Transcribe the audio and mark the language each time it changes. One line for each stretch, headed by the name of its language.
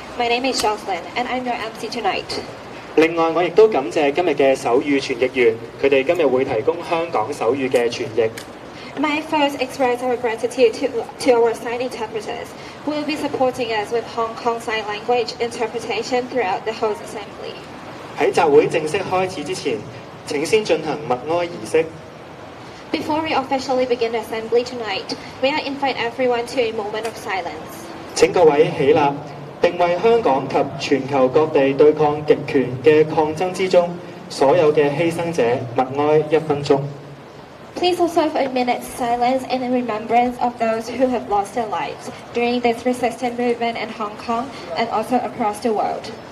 English: My name is Jocelyn and I'm your MC tonight.
Chinese: 另外我亦都感谢今日的手语传译员，他们今日会提供香港手语的传译。
English: May I first express our gratitude to our sign interpreters who will be supporting us with Hong Kong Sign Language interpretation throughout the whole assembly.
Chinese: 在集会正式开始之前，请先进行默哀仪式。
English: Before we officially begin the assembly tonight, may I invite everyone to a moment of silence.
Chinese: 请各位起立，并为香港及全球各地对抗极权的抗争之中所有的牺牲者默哀一分钟。
English: Please observe a minute's silence in remembrance of those who have lost their lives during this resistance movement in Hong Kong and also across the world.